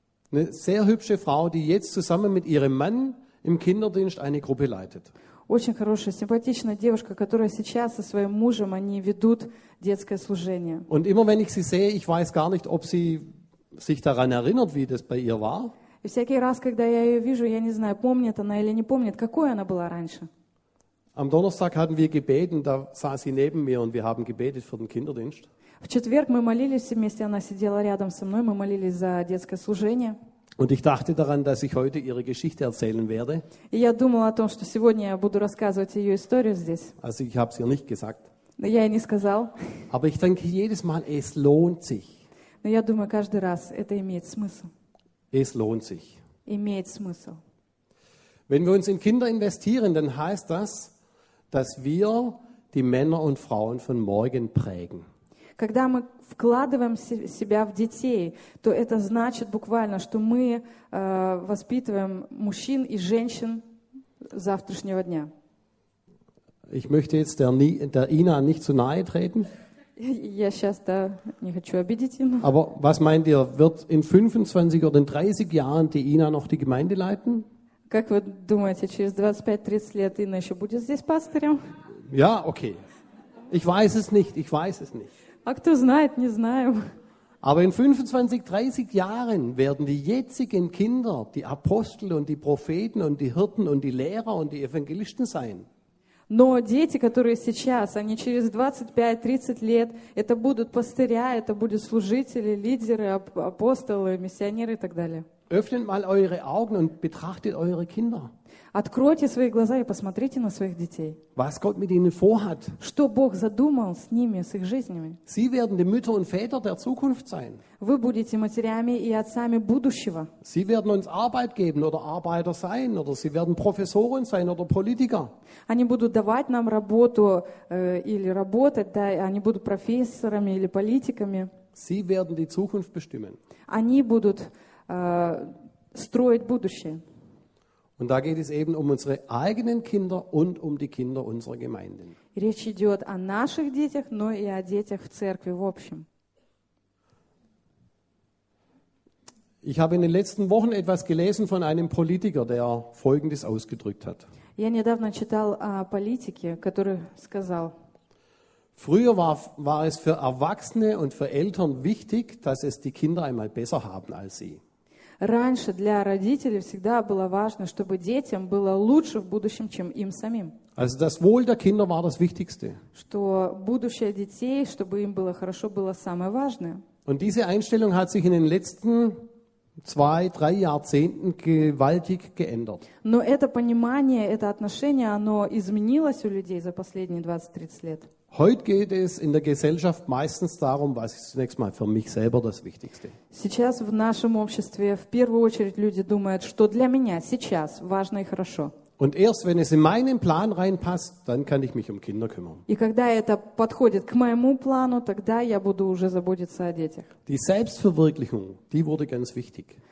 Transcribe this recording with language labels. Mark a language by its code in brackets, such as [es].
[de] Eine sehr hübsche Frau, die jetzt zusammen mit ihrem Mann im Kinderdienst eine Gruppe leitet. [ru] Очень хорошая, симпатичная девушка, которая сейчас со своим мужем они ведут детское служение. [de] Und immer wenn ich sie sehe, ich weiß gar nicht, ob sie sich daran erinnert, wie das bei ihr war. [ru] И всякий раз, когда я ее вижу, я не знаю, помнит она или не помнит, какой она была раньше. [de] Am Donnerstag hatten wir gebeten, da saß sie neben mir und wir haben gebetet für den Kinderdienst. [ru] В четверг мы молились вместе, она сидела рядом со мной, мы молились за детское служение. [de] Und ich dachte daran, dass ich heute ihre Geschichte erzählen werde. [ru] И я думала о том, что сегодня я буду рассказывать ее историю здесь. [de] Also ich habe es ihr nicht gesagt. [ru] Но я ей не сказал. [de] Aber ich denke jedes Mal, es lohnt sich. [ru] Но я думаю каждый раз, это имеет смысл. [de] Es lohnt sich. [ru] Имеет смысл. [de] Wenn wir uns in Kinder investieren, dann heißt das, dass wir die Männer und Frauen von morgen prägen. [ru] Когда мы вкладываем себя в детей, то это значит буквально, что мы воспитываем мужчин и женщин завтрашнего дня. [de] Ich möchte jetzt der Ina nicht zu nahe treten. [ru] Я сейчас да не хочу обидеть ihn. [de] Aber was meint ihr, wird in 25 oder in 30 Jahren die Ina noch die Gemeinde leiten? [ru] Как вы думаете, через 25-30 лет Ина еще будет здесь пастырем? [de] Ja, okay. Ich weiß es nicht, ich weiß es nicht. [ru] А кто знает, не знаю. [de] Aber in 25-30 Jahren werden die jetzigen Kinder die Apostel und die Propheten und die Hirten und die Lehrer und die Evangelisten sein. [ru] Но дети, которые сейчас, они через 25-30 лет, это будут пастыря, это будут служители, лидеры, апостолы, миссионеры и так далее. [de] Öffnet mal eure Augen und betrachtet eure Kinder. [ru] Откройте свои глаза и посмотрите на своих детей. [de] Was Gott mit ihnen vorhat. [ru] Что Бог задумал с ними, с их жизнями. [de] Sie werden die Mütter und Väter der Zukunft sein. [ru] Вы будете матерями и отцами будущего. [de] Sie werden uns Arbeit geben oder Arbeiter sein oder sie werden Professoren sein oder Politiker. [ru] Они будут давать нам работу или работать, да, они будут профессорами или политиками. [de] Sie werden die Zukunft bestimmen. [ru] Они будут строить будущее. [de] Und da geht es eben um unsere eigenen Kinder und um die Kinder unserer Gemeinden. [ru] Речь идет о наших детях, но и о детях в церкви в общем. [de] Ich habe in den letzten Wochen etwas gelesen von einem Politiker, der Folgendes ausgedrückt hat. [ru] Я недавно читал о политике, который сказал. [de] Früher war es für Erwachsene und für Eltern wichtig, dass es die Kinder einmal besser haben als sie. [ru] Раньше для родителей всегда было важно, чтобы детям было лучше в будущем, чем им самим. [de] Also das Wohl der Kinder war das Wichtigste. [ru] Что будущее детей, чтобы им было хорошо, было самое важное. [de] Und diese Einstellung hat sich in den letzten 2-3 Jahrzehnten gewaltig geändert. [ru] Но это понимание, это отношение, оно изменилось у людей за последние 20-30 лет. [de] Heute geht es in der Gesellschaft meistens darum, was ist zunächst mal für mich selber das Wichtigste. [ru] Сейчас в нашем обществе в первую очередь люди думают, что для меня сейчас важно и хорошо. [de] Und erst wenn es in meinen Plan reinpasst, dann kann ich mich um Kinder kümmern. [ru] И когда это подходит к моему плану, тогда я буду уже заботиться о детях. [de] Die Selbstverwirklichung, die wurde ganz wichtig.